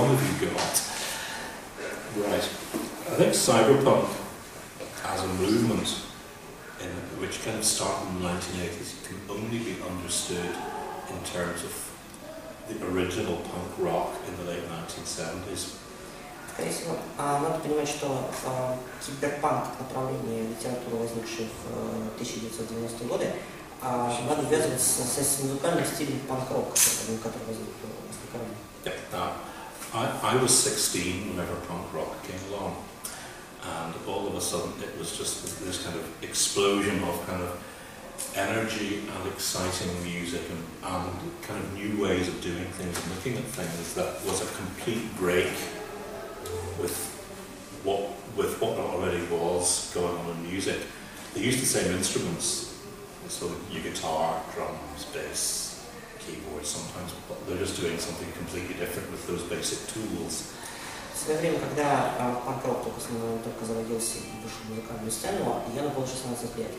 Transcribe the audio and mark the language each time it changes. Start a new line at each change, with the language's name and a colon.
English: I think cyberpunk as a movement, in which kind of started in the 1980s, can only be understood in terms of the original punk rock in the late 1970s.
Russian: Скорее всего, надо понимать, что киберпанк — направление литературы, возникшее в 1990-е годы, надо ввязываться с музыкальным стилем панк-рок, который возник в Москве.
English: I was 16 whenever punk rock came along, and all of a sudden it was just this kind of explosion of kind of energy and exciting music and kind of new ways of doing things and looking at things that was a complete break with what already was going on in music. They used the same instruments, sort of your guitar, drums, bass, keyboard sometimes, but they're just doing something completely different with those basic tools.
Russian: В свое время, когда панк-рок только заводился и вышел в музыкальную сцену, Яну было 16 лет.